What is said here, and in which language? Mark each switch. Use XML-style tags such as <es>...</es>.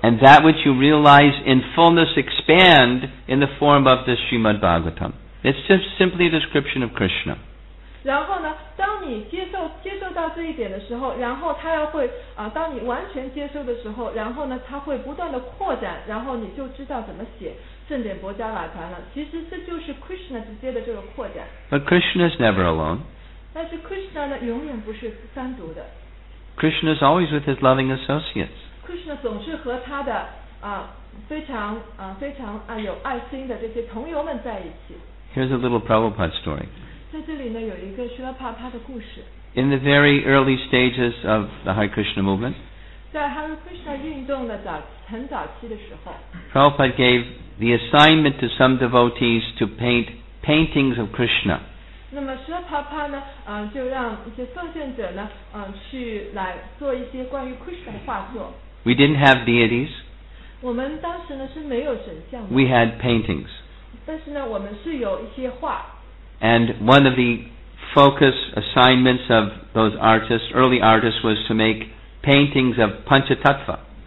<en>And that which you realize in fullness expand in the form of the Srimad Bhagavatam It's just simply a description of Krishna</en> <zh>然后呢当你接受到这一点的时候然后他要会当你完全接受的时候然后呢他会不断的扩展然后你就知道怎么写圣典博迦瓦坛了其实这就是 Krishna 直接的这个扩展</zh> <en>But Krishna is never alone</en> <zh>但是 Krishna 呢永远不是单独的</zh> <en>Krishna is always with his loving associates</en> <zh>Krishna 总是和他的非常有爱心的这些朋友们在一起</zh> <en>Here's a little Prabhupada story</en> <zh>在这里呢有一个 Srila Prabhupada 的故事</zh> <en>In the very early stages of the Hare Krishna movement</en> <zh>在 Hare Krishna 运动的很早期的时候</zh> <en>Prabhupada gave the assignment to some devotees to paint paintings of Krishna</en> <zh>那么舍帕帕呢就让一些奉献者呢去来做一些关于 Krishna 的画作</zh> <en>We didn't have deities</en> <zh>我们当时呢是没有神像的</zh> <en>We had paintings</en> <zh>但是呢我们是有一些画</zh> <en>And one of the focus assignments of those artists early artists was to make paintings of Panchatattva</en>